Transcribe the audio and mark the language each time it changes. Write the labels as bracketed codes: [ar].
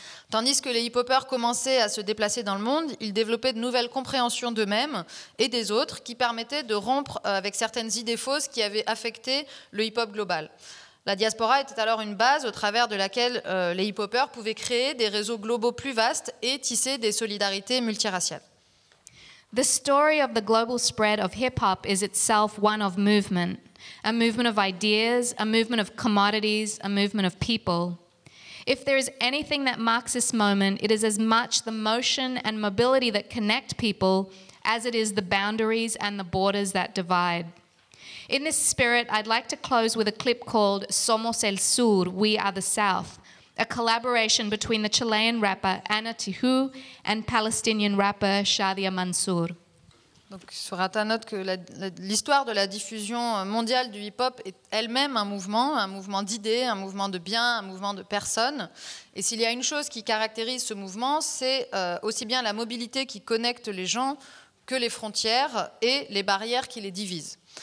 [fr] Tandis que les hip-hoppers commençaient à se déplacer dans le monde, ils développaient de nouvelles compréhensions d'eux-mêmes et des autres qui permettaient de rompre avec certaines idées fausses qui avaient affecté le hip-hop global. La diaspora était alors une base au travers de laquelle les hip-hoppers pouvaient créer des réseaux globaux plus vastes et tisser des solidarités multiraciales. [en] The story of the global spread of hip-hop is itself one of movement. A movement of ideas, a movement of commodities, a movement of people. If there is anything that marks this moment, it is as much the motion and mobility that connect people as it is the boundaries and the borders that divide. In this spirit, I'd like to close with a clip called Somos el Sur, We Are the South, a collaboration between the Chilean rapper Ana Tihu and Palestinian rapper Shadia Mansour. [fr] Donc, Surata note que l'histoire de la diffusion mondiale du hip-hop est elle-même un mouvement d'idées, un mouvement de biens, un mouvement de personnes. Et s'il y a une chose qui caractérise ce mouvement, c'est aussi bien la mobilité qui connecte les gens que les frontières et les barrières qui les divisent.